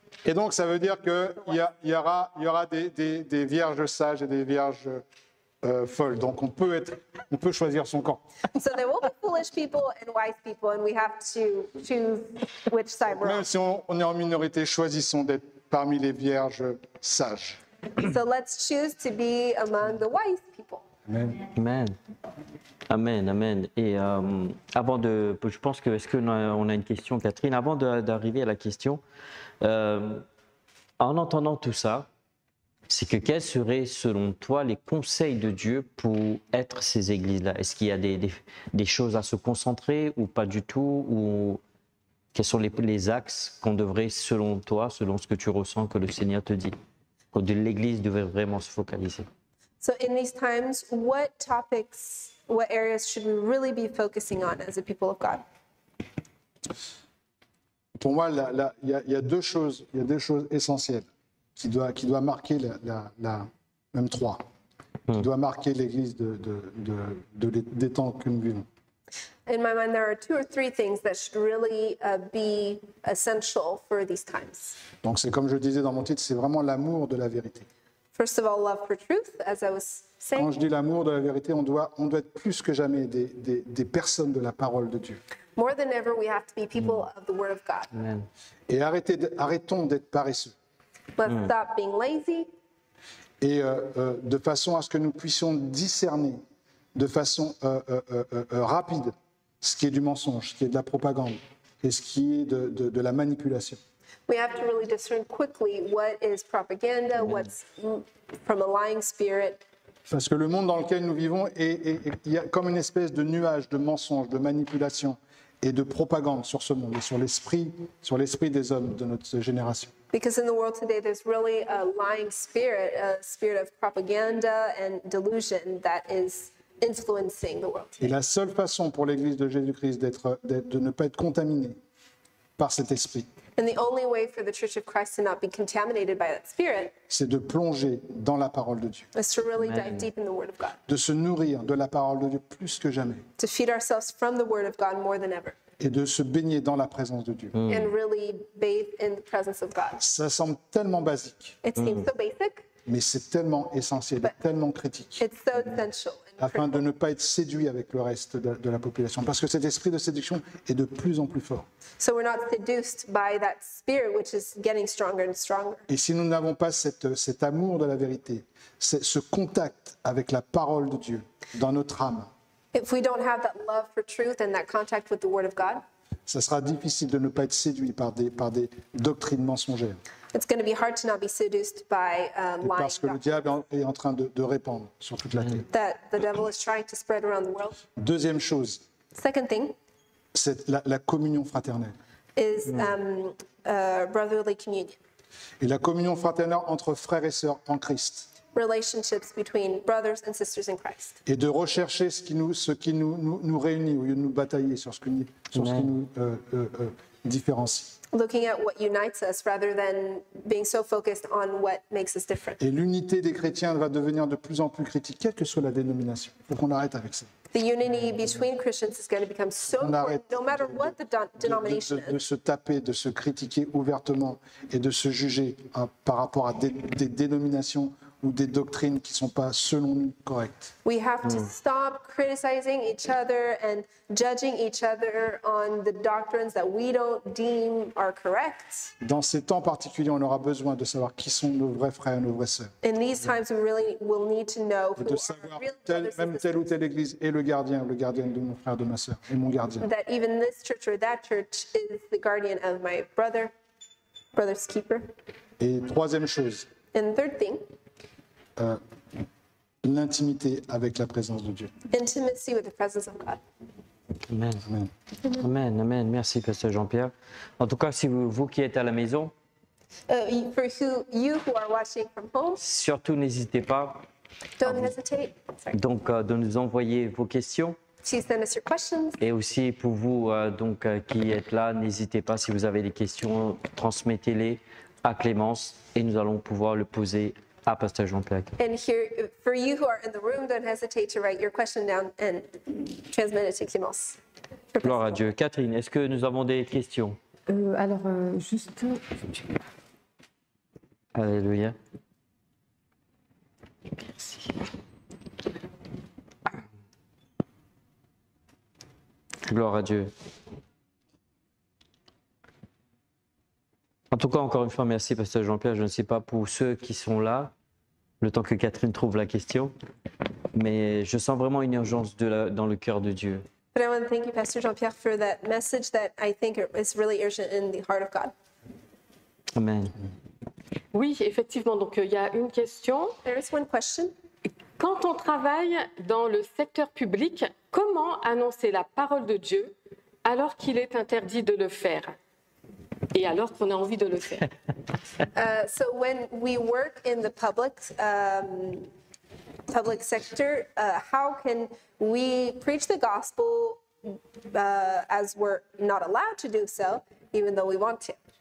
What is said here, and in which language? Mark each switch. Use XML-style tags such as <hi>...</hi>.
<fr>et donc ça veut dire que il y aura des vierges sages et des vierges folles. Donc on peut choisir son camp.</fr> <en>So there will be foolish people and wise people, and we have to choose which side we're on.</en> <fr>Même si on est en minorité, choisissons d'être parmi les vierges sages.</fr> <en>So let's choose to be among the wise people. Amen. Amen. Amen. Amen.</en> <fr>Et avant de, je pense que, est-ce qu'on a une question, Catherine? Avant d'arriver à la question, en entendant tout ça, c'est que quels seraient, selon toi, les conseils de Dieu pour être ces églises-là? Est-ce qu'il y a des choses à se concentrer ou pas du tout? Ou quels sont les axes qu'on devrait, selon toi, selon ce que tu ressens, que le Seigneur te dit? De l'Église devait vraiment se focaliser.</fr> <en>So in these times, what topics, what areas should we really be focusing on as a people of God?</en> <fr>Pour moi, il y a deux choses essentielles qui doit marquer la même trois qui doit marquer l'Église des temps que nous vivons.</fr> <en>In my mind, there are two or three things that should really be essential for these times.</en> <fr>Donc, c'est comme je disais dans mon titre, c'est vraiment l'amour de la vérité.</fr> <en>First of all, love for truth, as I was saying.</en> <fr>Quand je dis l'amour de la vérité, on doit être plus que jamais des personnes de la parole de Dieu.</fr> <en>More than ever, we have to be people of the Word of God. Amen.</en> <fr>Et arrêtons d'être paresseux.</fr> <en>Let's stop being lazy.</en> <fr>Et de façon à ce que nous puissions discerner de façon rapide ce qui est du mensonge, ce qui est de la propagande et ce qui est de la manipulation.</fr> <en>We have to really discern quickly what is propaganda, what's from a lying spirit.</en> <fr>Parce que le monde dans lequel nous vivons il y a comme une espèce de nuage de mensonge, de manipulation et de propagande sur ce monde et sur l'esprit des hommes de notre génération.</fr> <en>Because in the world today there's really a lying spirit, a spirit of propaganda and delusion that is influencing the world.</en> <fr>Et la seule façon pour l'Église de Jésus-Christ de ne pas être contaminée par cet esprit.</fr> <en>And the only way for the Church of Christ to not be contaminated by that spirit.</en> <fr>C'est de plonger dans la parole de Dieu.</fr> <en>Is to really dive deep in the Word of God.</en> <fr>De se nourrir de la parole de Dieu plus que jamais.</fr> <en>To feed ourselves from the Word of God more than ever.</en> <fr>Et de se baigner dans la présence de Dieu.</fr> <en>And really bathe in the presence of God.</en> <fr>Ça semble tellement basique.</fr> <en>It seems so basic.</en> <fr>Mais c'est tellement essentiel, tellement critique.</fr> <en>It's so essential.</en> <fr>Afin de ne pas être séduit avec le reste de la population. Parce que cet esprit de séduction est de plus en plus fort.</fr> <en>So we're not seduced by that spirit, which is getting stronger and stronger.</en> <fr>Et si nous n'avons pas cet amour de la vérité, ce contact avec la parole de Dieu dans notre âme,</fr> <en>if we don't have that love for truth and that contact with the word of God,</en> <fr>ça sera difficile de ne pas être séduit par des doctrines mensongères.</fr> <en>It's going to be hard to not be seduced by lies.</en> <fr>Parce que le diable est en train de répandre sur toute la terre.</fr> <en>That the devil is trying to spread around the world.</en> <fr>Deuxième chose.</fr> <en>Second thing.</en> <fr>C'est la communion fraternelle.</fr> <en>Is brotherly communion.</en> <fr>Et la communion fraternelle entre frères et sœurs en Christ.</fr> <en>Relationships between brothers and sisters in Christ.</en> <fr>Et de rechercher ce qui nous réunit au lieu de nous batailler sur ce qui nous différencie.</fr> <en>Looking at what unites us rather than being so focused on what makes us different.</en> <fr>Et l'unité des chrétiens va devenir de plus en plus critique, quelle que soit la dénomination. Il faut qu'on arrête avec ça.</fr> <en>The unity between Christians is going to become so important, no matter what the denomination is.</en> <fr>De se taper, de se critiquer ouvertement et de se juger par rapport à des dénominations ou des doctrines qui ne sont pas, selon nous, correctes.</fr> <en>We have to stop criticizing each other and judging each other on the doctrines that we don't deem are correct.</en> <fr>Dans ces temps particuliers, on aura besoin de savoir qui sont nos vrais frères et nos vraies sœurs.</fr> <en>In these times, we really will need to know who</en> <fr>de savoir même telle ou telle église est le gardien de mon frère, de ma sœur, et mon gardien.</fr> <en>That even this church or that church is the guardian of my brother's keeper.</en> <fr>Et troisième chose.</fr> <en>And third thing.</en> <fr>L'intimité avec la présence de Dieu.</fr> <en>Intimacy with the presence of God.</en> <fr>Amen. Amen. Amen. Amen. Merci, Pasteur Jean-Pierre. En tout cas, si vous qui êtes à la maison,</fr> <en>for you who are watching from home,</en> <fr>surtout n'hésitez pas.</fr> <en>Don't hesitate.</en> <fr>Donc, de nous envoyer vos questions.</fr> <en>Please send us your questions.</en> <fr>Et aussi pour vous qui êtes là, n'hésitez pas, si vous avez des questions, transmettez-les à Clémence et nous allons pouvoir le poser. À Pasteur Jean-Pierre.</fr> <en>And here, for you who are in the room, don't hesitate to write your question down and transmit it to Clémence.</en> <fr>Gloire à Dieu. Catherine, est-ce que nous avons des questions? Juste. Alléluia. Merci. Gloire à Dieu. En tout cas, encore une fois, merci, Pasteur Jean-Pierre. Je ne sais pas pour ceux qui sont là. Le temps que Catherine trouve la question, mais je sens vraiment une urgence dans le cœur de Dieu.</fr> <en>But I want to thank you, Pastor Jean-Pierre, for that message that I think is really urgent in the heart of God. Amen.</en> <fr>Oui, effectivement. Donc, il y a une question.</fr> <en>There is one question.</en> <fr>Quand on travaille dans le secteur public, comment annoncer la parole de Dieu alors qu'il est interdit de le faire? Et alors qu'on a envie de le faire.</fr> <en>So when we work in the public sector, how can we preach the gospel as we're not allowed to do so, even though we want to?</en>